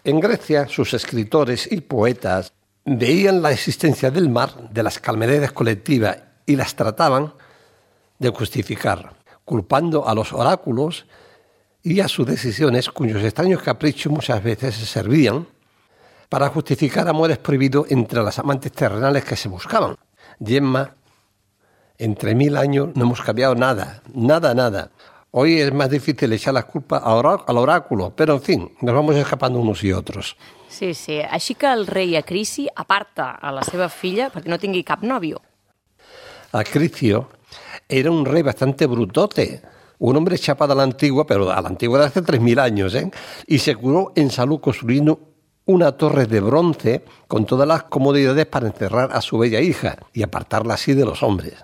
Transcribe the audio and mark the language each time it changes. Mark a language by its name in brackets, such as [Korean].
[Spanish] En Grecia, sus escritores y poetas veían la existencia del mar, de las calamidades colectivas, y las trataban de justificar, culpando a los oráculos y a sus decisiones, cuyos extraños caprichos muchas veces servían para justificar amores prohibidos entre las amantes terrenales que se buscaban. Gemma, entre 1000 años no hemos cambiado nada, nada, nada. Hoy es más difícil echar las culpas al oráculo, pero en fin, nos vamos escapando unos y otros. [Catalan] Sí, sí, així que el rei Acrici aparta a la seva filla perquè no tingui cap nòvio. [Spanish] Acricio era un rei bastante brutote, un hombre chapado a la antigua, pero a la antigua de hace 3.000 años, ¿eh? Y se curó en salud construyendo una torre de bronce con todas las comodidades para encerrar a su bella hija y apartarla así de los hombres.